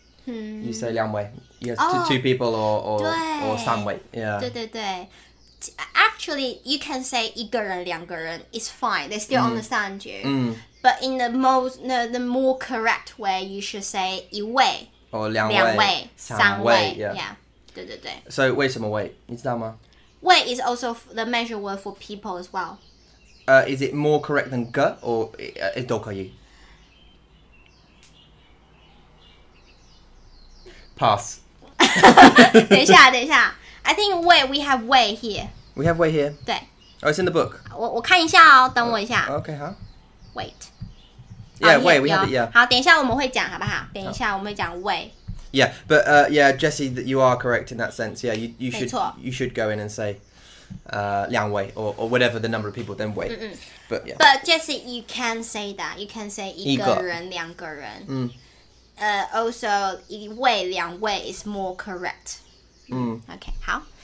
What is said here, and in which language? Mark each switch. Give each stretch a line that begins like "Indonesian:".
English: You say 量位.Yes, oh, two people or 三位.Yeah.
Chinese: 对。
English: Actually, you can say 一个人两个人, it's fine, they still understand you. But in the more correct way, you should say 一位, or
Chinese: 两位, 三位.
English: Yeah.
Chinese: 对。 So 为什么位, 你知道吗?
English: 位 is also the measure word for people as well. Is it more correct than 个, or 都可以? Pass.
Chinese: 等一下,
English: I think we have 位 here. We have way here.
Chinese: 对。
English: Oh, it's in the book.
Chinese: 我看一下哦，等我一下。
English: Okay, huh? Wait. Yeah, oh, way, we have it, yeah.
Chinese: 好，等一下我们会讲，好不好？等一下我们会讲 way.
English: Yeah, but yeah, Jesse, you are correct in that sense. Yeah, you should go in and say 两位, or whatever the number of people, then way. But yeah. But Jesse, you can say that. You can say 一个人，两个人. Also, 一位，两位 is more correct. Okay, 好。